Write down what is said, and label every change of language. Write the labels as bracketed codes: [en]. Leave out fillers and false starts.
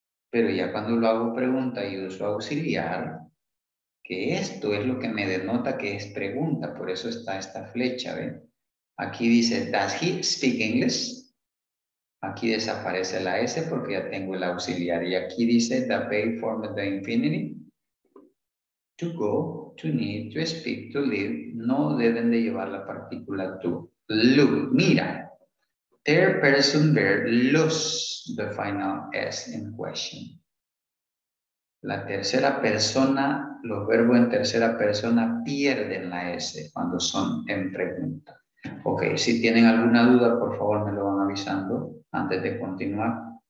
[es] Pero ya cuando lo hago pregunta y uso auxiliar, que esto es lo que me denota que es pregunta. Por eso está esta flecha, ¿ven? Aquí dice, [en] does he speak English? [es] Aquí desaparece la S porque ya tengo el auxiliar. Y aquí dice, [en] the verb form of the infinity. To go, to need, to speak, to live. [es] No deben de llevar la partícula to. [en] Look, [es] mira. [en] Third person verb lose the final S in question. [es] La tercera persona, los verbos en tercera persona pierden la S cuando son en pregunta. Ok, si tienen alguna duda, por favor me lo van avisando antes de continuar.